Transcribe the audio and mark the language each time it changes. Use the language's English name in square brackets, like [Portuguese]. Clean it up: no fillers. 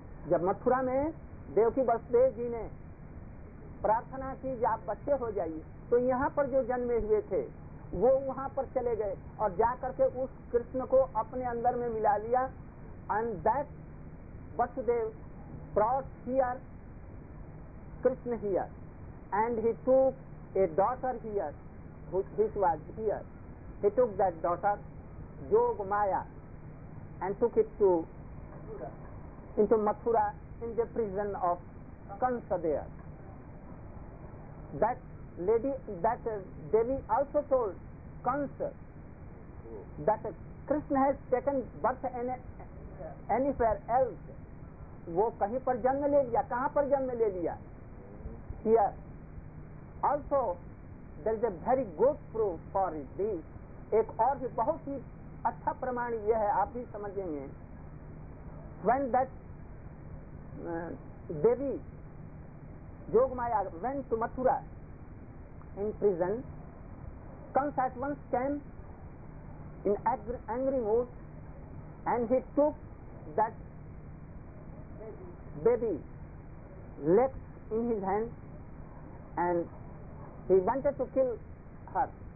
[Hindi] जब मथुरा में देवकी वसुदेव जी ने प्रार्थना की कि आप बच्चे हो जाइए, तो यहाँ पर जो जन्मे हुए थे वो वहाँ पर चले गए और जाकर के उस कृष्ण को अपने अंदर में मिला लिया. [English] And that Vasudev brought here Krishna here, and he took a daughter here, which was here. He took that daughter, Yogamaya, and took it to into Mathura in the prison of Kansa there. That lady, that Devi also told Kansa that Krishna has taken birth anywhere else. [Hindi] वो कहीं पर जन्म ले लिया, कहाँ पर जन्म ले लिया? [English] Here also there is a very good proof for this. [Hindi] एक और भी बहुत ही अच्छा प्रमाण यह है, आप भी समझेंगे. [English] When that Devi Yogamaya went to Mathura in prison, Kansa at once came in angry mood and he took that baby left in his hand and he wanted to kill her.